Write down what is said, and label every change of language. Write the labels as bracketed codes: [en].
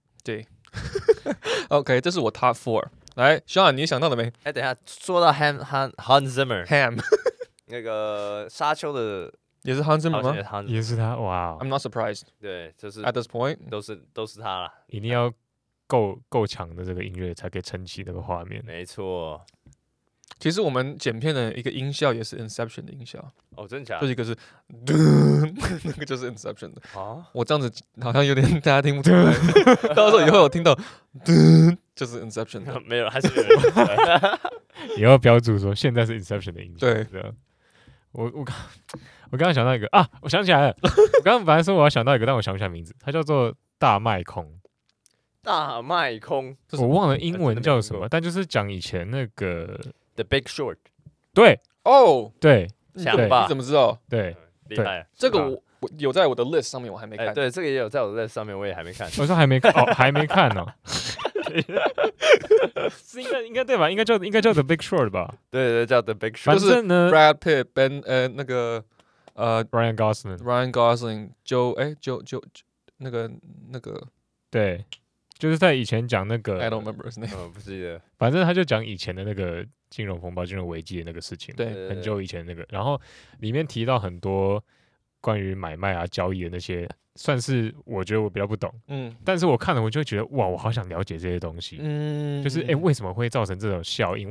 [zh] 对，OK， 这是我 top four。来 ，Sean， 你想到了没？哎、欸，等一下，说到 Hans Zimmer， Ham，那个沙丘的也是 Hans Zimmer 吗？也是他，哇、wow、 [en] ！I'm not surprised。 [zh] 对，就是 [en] at this point [zh] 都是他了。一定要够强的这个音乐才可以撑起那个画面。没错，其实我们剪片的一个音效也是 Inception 的音效。哦，真的假的？就是一个是，噔那个就是 Inception 的。啊，我这样子好像有点大家听不出来，到时候以后有听到噔。就是 Inception 的没有了，还是没有人。你要标注说现在是 Inception 的音乐。对，我刚刚想到一个啊，我想起来了，我刚刚本来说我要想到一个，但我想不起来名字，它叫做大麦空。大麦空，我忘了英文叫什么，但就是讲以前那个 [en] The Big Short。 [zh] 对，哦、oh, ，对，想吧，你怎么知道？对，厉害，这个我有在我的 list 上面，我还没看、欸。对，这个也有在我的 list 上面，我也还没看。我说还没看，哦，还没看呢、哦。是应该对吧？应该叫 The Big Short 吧？对 对, 對，叫 The Big Short。反正呢、就是、，Brad Pitt、Ben 那个 Ryan Gosling、 Ryan Gosling、Joe 哎、欸、Joe 那个对，就是在以前讲那个 [en] I don't remember his name， [zh] 不记得。反正他就讲以前的那个金融风暴、金融危机的那个事情，对，很久以前那个。然后里面提到很多关于买卖啊、交易的那些算是我觉得我比较不懂，嗯，但是我看了我就觉得哇，我好想了解这些东西，嗯，就是欸，为什么会造成这种效应？